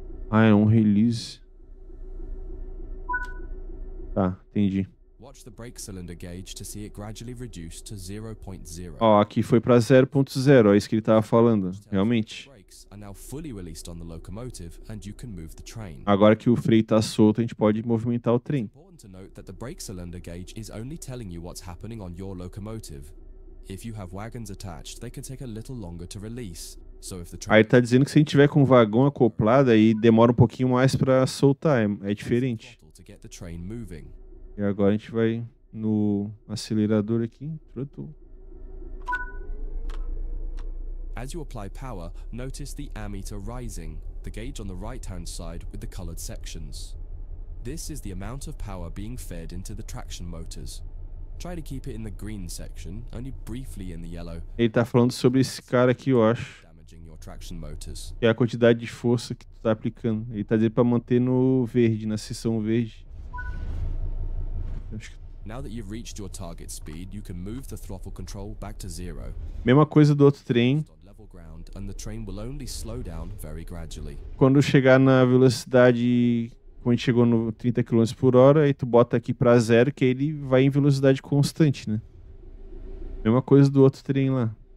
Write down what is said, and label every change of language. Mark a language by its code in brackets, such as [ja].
[pt] Ah, é um release. Tá, entendi. [en] Watch the brake cylinder gauge to see it gradually reduce to 0.0. [pt] Ó, aqui foi para 0.0, é isso que ele tava falando, realmente. [en] Are now fully released on the locomotive and you can move the train. [pt] Agora que o freio está solto, a gente pode movimentar o trem. [en] It's important to note that the brake cylinder gauge is only telling you what's happening on your locomotive. If you have wagons attached, they can take a little longer to release. So if the train... [pt] Aí tá dizendo que se a gente tiver com um vagão acoplado, aí demora um pouquinho mais para soltar, é diferente. [en] To get the train moving. [pt] E agora a gente vai no acelerador aqui. Pronto. [en] As you apply power, notice the ammeter rising, the gauge on the right-hand side with the colored sections. This is the amount of power being fed into the traction motors. Try to keep it in the green section, only briefly in the yellow. [pt] Ele tá falando sobre esse cara aqui, eu acho. [en] Damaging your traction motors. [pt] É a quantidade de força que tu tá aplicando. Ele tá dizendo para manter no verde, na seção verde. [en] Now that you've reached your target speed, you can move the throttle control back to zero. [pt] Mesma coisa do outro trem. [en] And the train will only slow down very gradually. [pt] Quando chegar na velocidade, quando a gente chegou no 30 km por hora, aí tu bota aqui para zero, que aí ele vai em velocidade constante, né? Mesma coisa do outro trem lá.